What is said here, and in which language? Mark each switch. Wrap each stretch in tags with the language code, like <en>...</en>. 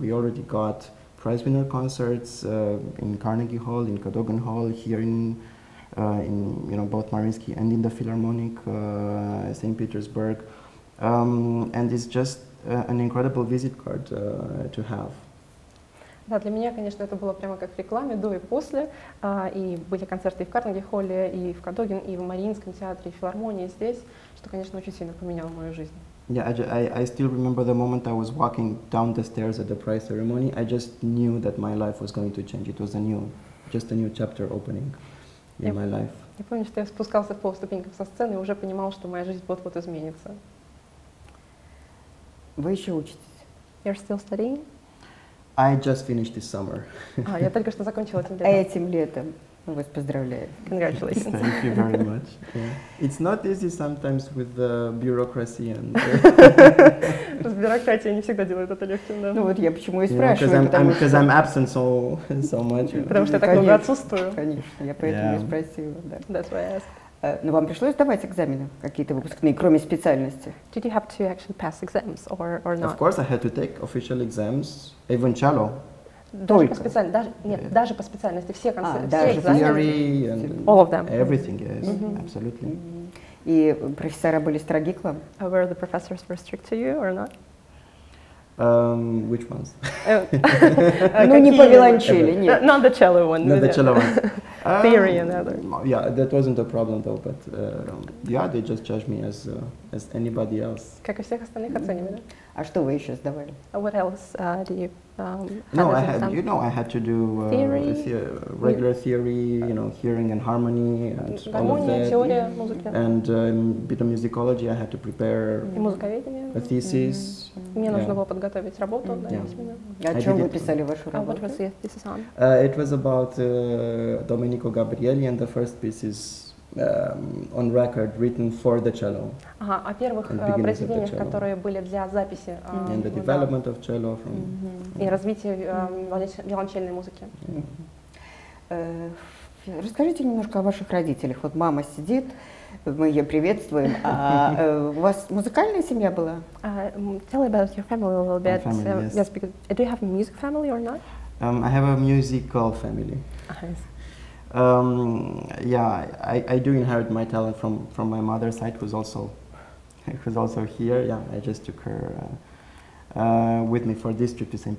<en>We already got prize winner concerts in Carnegie Hall, in Cadogan Hall, here in you know, both Mariinsky and in the Philharmonic, St. Petersburg. And it's just an incredible visit card to have.</en> <ru>Да, для меня, конечно, это было прямо как в рекламе до и после. И были концерты и в Карнеги-Холле, и в Кадогин, и в Мариинском театре, и в Филармонии здесь, что, конечно, очень сильно поменяло мою жизнь.</ru> <en>I still remember the moment I was walking down the stairs at the prize ceremony. I just knew that my life was going to change. It was a new chapter opening in my life.</en> <ru>Я помню, что я спускался по ступенькам со сцены и уже понимал, что моя жизнь вот-вот изменится. Вы еще учитесь?</ru> <en>You're still studying? I just finished this summer.</en> <ru>Я только что закончила этим летом. Этим летом. Мы вас поздравляем.</ru> <en>Congratulations. Thank you very much. Yeah. It's not easy sometimes with the bureaucracy and...</en> <ru>С бюрократией не всегда делают это легким, да. Ну вот я почему и спрашиваю.</ru> <en>Because I'm absent so much.</en> <ru>Потому что я так много отсутствую. Конечно, я поэтому и спросила.</ru> <en>That's why I asked.</en> <ru>Но вам пришлось сдавать экзамены какие-то выпускные, кроме специальности?</ru> <en>Did you have to actually pass exams or not? Of course, I had to take official exams, even cello.</en> <ru>Только? Даже по специальности, все экзамены.</ru> <en>Theory and all of them. Everything, yes, absolutely.</en> <ru>И профессора были строги к вам?</ru> <en>Were the professors were strict to you or not? Which ones?</en> <ru>Ну, не по виолончели, нет.</ru> <en>Not the cello one. Not the cello one. Theory and other. Yeah, that wasn't a problem though, but they just judged me as anybody else.</en> <ru>Как и всех остальных оценивали. А что вы еще сдавали?</ru> <en>What else do you I had to do regular theory, you know, hearing and harmony and all of that.</en> <ru>Гармония, теория, музыка.</ru> <en>And a bit of musicology, I had to prepare a thesis.</en> <ru>Мне нужно было подготовить работу, да, письменно. О чем вы писали вашу работу?</ru> <en>What was your thesis on? It was about Domenico Gabrielli and the first pieces on record written for the cello.</en> <ru>Ага, о первых произведениях, которые были для записи.</ru> <en>And the development of cello from.</en> <ru>И развитие виолончельной музыки. Расскажите немножко о ваших родителях. Вот мама сидит. Мы ее приветствуем. А у вас музыкальная семья была?</ru> <en>Tell about your family a little bit. Family, yes. Yes, because do you have a music family or not? I have a musical family. Nice. I do inherit my talent from my mother's side, who's also here. Yeah, I just took her with me for this trip to St.</en>